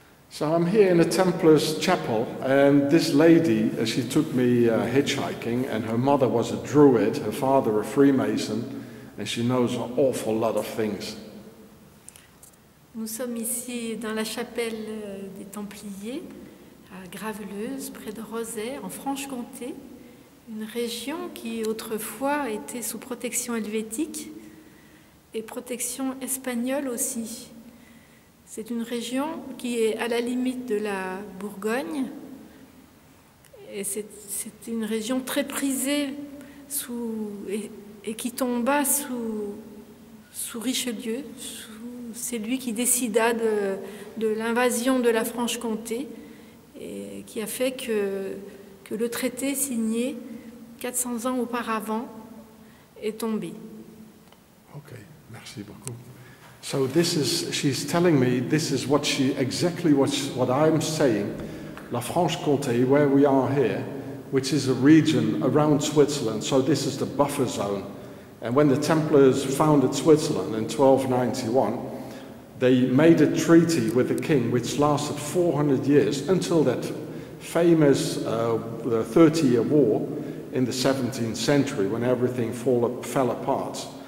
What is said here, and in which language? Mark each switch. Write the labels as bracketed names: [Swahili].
[English] So I'm here in the Templar's chapel, and this lady, she took me hitchhiking, and her mother was a druid, her father a Freemason. And she knows an awful lot of things. [French] Nous sommes ici dans la chapelle des Templiers à Graveleuse près de Rosay en Franche-Comté, une région qui autrefois était sous protection helvétique et protection espagnole aussi. C'est une région qui est à la limite de la Bourgogne et c'est une région très prisée sous et qui tomba sous Richelieu, c'est lui qui décida de l'invasion de la Franche-Comté, et qui a fait que le traité signé 400 ans auparavant est tombé. Ok, merci beaucoup. [English] So this is, she's telling me, this is what she, exactly what I'm saying, la Franche-Comté, where we are here, which is a region around Switzerland, so this is the buffer zone. And when the Templars founded Switzerland in 1291, they made a treaty with the king which lasted 400 years until that famous 30-year war in the 17th century when everything fell apart.